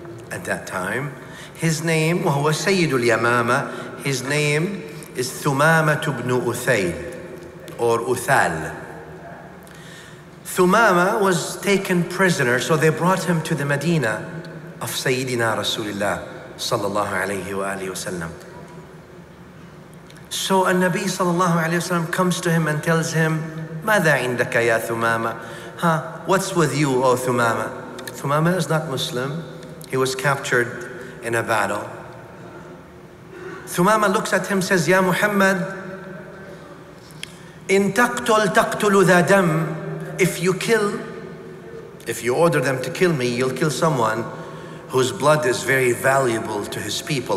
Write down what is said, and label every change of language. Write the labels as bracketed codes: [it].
[en] At that time, his name, [ar] وَهُوَ سَيِّدُ الْيَمَامَةِ, [en] his name is ثُمَامَةُ بْنُ أُثَيْلِ, or أُثَال. ثُمَامَةُ was taken prisoner, so they brought him to the Medina of Sayyidina Rasulullah صلى الله عليه وآله وسلم. [ar] So النبي صلى الله عليه وسلم [en] comes to him and tells him, [ar] مَاذَا عِنْدَكَ يَا ثُمَامَةُ? Huh? [en] What's with you, O ثُمَامَةُ? ثُمَامَةُ is not Muslim. He was captured in a battle. Thumama looks at him, says, [ar] Ya Muhammad, in taqtul taqtulu dha dam, [en] if you kill, if you order them to kill me, you'll kill someone whose blood is very valuable to his people.